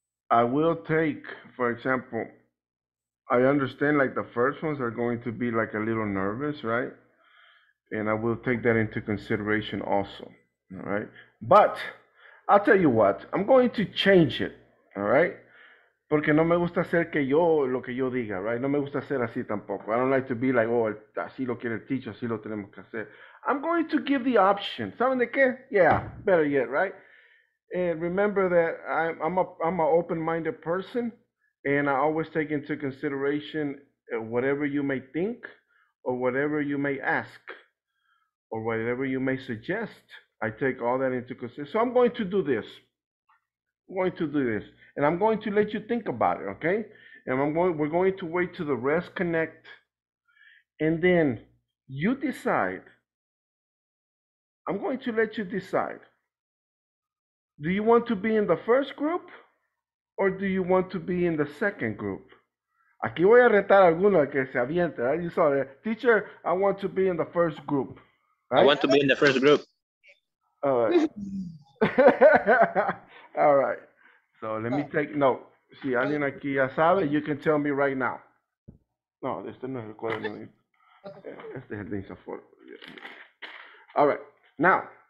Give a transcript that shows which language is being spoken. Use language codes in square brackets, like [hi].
[en] I will take, for example, I understand like the first ones are going to be like a little nervous, right? And I will take that into consideration also, all right? But I'll tell you what, I'm going to change it, all right? [es] Porque no me gusta hacer que yo, lo que yo diga, right? No me gusta hacer así tampoco. [en] I don't like to be like, [es] oh, así lo quiere el teacher, así lo tenemos que hacer. [en] I'm going to give the option. [es] ¿Saben de qué? [en] Yeah, better yet, right? And remember that I'm an open-minded person, and I always take into consideration whatever you may think or whatever you may ask or whatever you may suggest. I take all that into consideration. So I'm going to do this. I'm going to do this. And I'm going to let you think about it, okay? And we're going to wait till the rest connect. And then you decide. I'm going to let you decide. Do you want to be in the first group? Or do you want to be in the second group? [es] Aquí voy a retar alguno que se aviente. [en] Right? You saw that. Teacher, I want to be in the first group. Right? I want to be in the first group. All right. So let me take note. [es] Si alguien aquí ya sabe, [en] you can tell me right now. [es] No, este no es el cuaderno. Este es el de INSAFORP. [en] All right, now.